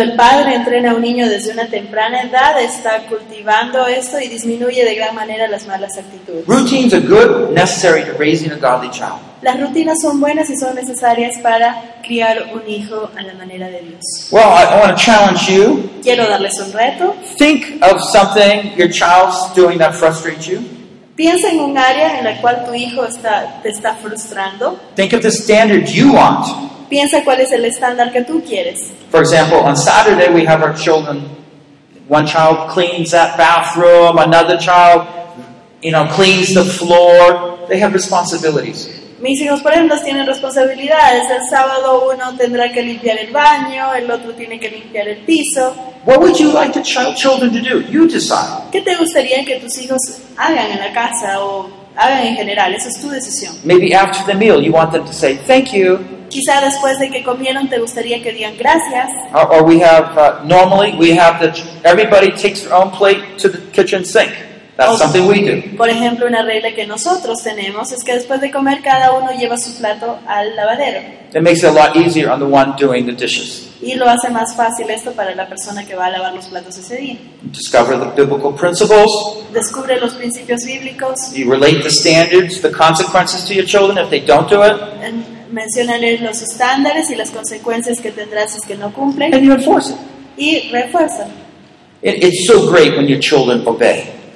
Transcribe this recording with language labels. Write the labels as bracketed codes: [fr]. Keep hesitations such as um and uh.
[es] el padre entrena a un niño desde una temprana edad, está cultivando esto y disminuye de gran manera las malas actitudes. [en] Routines are good, necessary to raising a godly child. [es] las rutinas son buenas y son necesarias para criar un hijo a la manera de Dios. [en] Well, I, I want to challenge you. [es] Quiero darles un reto. [en] Think of something your child's doing that frustrates you. [es] Piensa en un área en la cual tu hijo está, te está frustrando. [en] Think of the standard you want. [es] Piensa cuál es el estándar que tú quieres. [en] For example, on Saturday we have our children. One child cleans that bathroom, another child, you know, cleans the floor. They have responsibilities [es] mis hijos, por ejemplo, tienen responsabilidades. El sábado uno tendrá que limpiar el baño, el otro tiene que limpiar el piso. [en] What would you would like the child, children to do? You decide. [es] ¿Qué te gustaría que tus hijos hagan en la casa o hagan en general? Esa es tu decisión. [en] Maybe after the meal, you want them to say thank you. [es] Quizá después de que comieron te gustaría que digan gracias. [en] Or, or we have uh, normally we have the everybody takes their own plate to the kitchen sink. That's something we do. [es] Por ejemplo, una regla que nosotros tenemos es que después de comer cada uno lleva su plato al lavadero. [en] It makes it a lot easier on the one doing the dishes. [es] Y lo hace más fácil esto para la persona que va a lavar los platos ese día. [en] Discover the biblical principles. [es] Descubre los principios bíblicos. [en] You relate the standards, the consequences to your children if they don't do it. [es] Mencionale los estándares y las consecuencias que tendrás si es que no cumplen. [en] And you enforce it. [es] Y it, refuerza. [en] it's so great when your children obey.